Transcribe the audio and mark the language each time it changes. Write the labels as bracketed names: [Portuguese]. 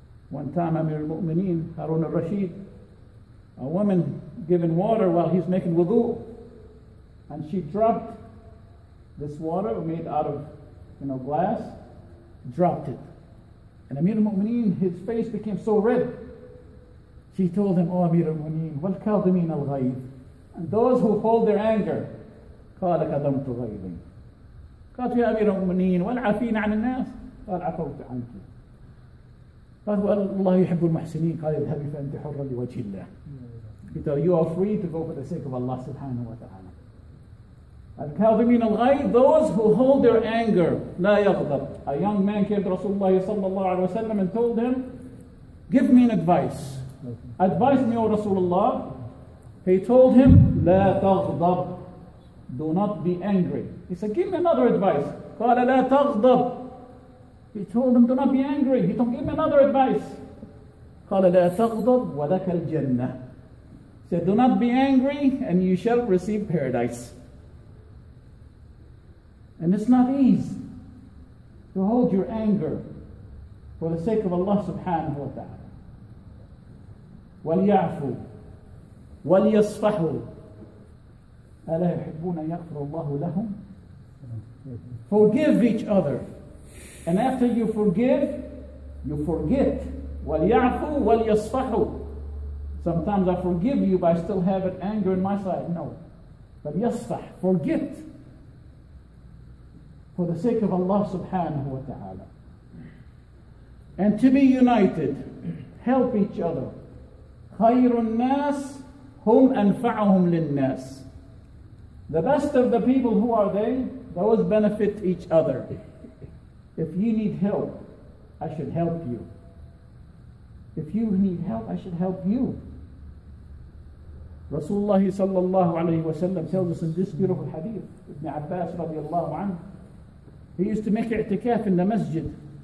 [English] One time Amir al-Mu'mineen, Harun al-Rashid, a woman giving water while he's making wudu, and she dropped this water made out of, you know, glass, dropped it. And Amir al-Mu'mineen, his face became so red. She told him, oh Amir al-Mu'mineen, [Arabic] wal kadhimin al-ghayb, [English] and those who hold their anger, [Arabic] qala kadamtu ghaybi, قالت يا أمير المؤمنين والعافين عن الناس، قال عفوت عنك. قالت الله يحب المحسنين، قال اذهبي فأنت حرة لوجه الله. [English] He told you are free to go for the sake of Allah subhanahu wa ta'ala. Al-kadhimin al-ghayb, those who hold their anger, [Arabic] لا يغضب. [English] A young man came to Rasulullah sallallahu alayhi wa sallam and told him, give me an advice. Advise me, O Rasulullah. He told him, [Arabic] لا تغضب. [English] Do not be angry. He said, give me another advice. [Arabic] قال لا تغضب. [English] He told him, do not be angry. He told him, give me another advice. قال لا تغضب ولك الجنة. He said, do not be angry and you shall receive paradise. And it's not easy to hold your anger for the sake of Allah subhanahu wa ta'ala. [Arabic] وليعفو وليصفحوا ألا يحبون أن يغفر الله لهم. [English] Forgive each other. And after you forgive, you forget. [Arabic] وليعفو وليصفحوا. [English] Sometimes I forgive you, but I still have an anger in my side. No. But yasfah, forget. For the sake of Allah subhanahu wa ta'ala. And to be united, help each other. [Arabic] خير الناس هم أنفعهم للناس. [English] The best of the people, who are they? Those benefit each other. If you need help, I should help you. If you need help, I should help you. Rasulullah sallallahu alayhi wa sallam tells us in this beautiful hadith, Ibn Abbas radiallahu anhu, he used to make i'tikaf in the masjid.